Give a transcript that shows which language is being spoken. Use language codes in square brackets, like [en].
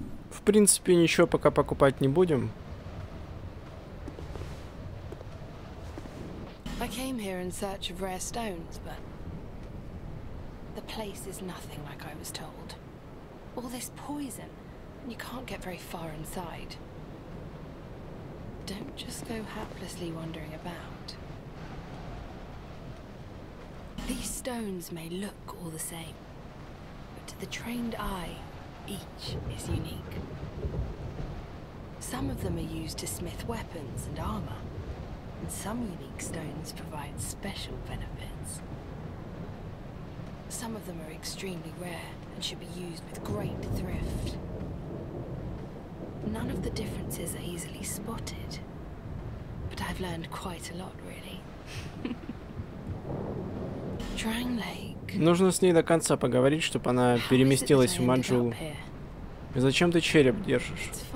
[ru] В принципе, ничего пока покупать не будем. [en] I came here in search of rare stones, but the place is nothing like I was told. All this poison, and you can't get very far inside. Don't just go haplessly wandering about. These stones may look all the same, but to the trained eye, each is unique. Some of them are used to smith weapons and armor, and some unique stones provide special benefits. Some of them are extremely rare and should be used with great thrift. None of the differences are easily spotted, but I've learned quite a lot, really. [ru] Нужно с ней до конца поговорить, чтобы она переместилась в Маджулу. И зачем ты череп держишь?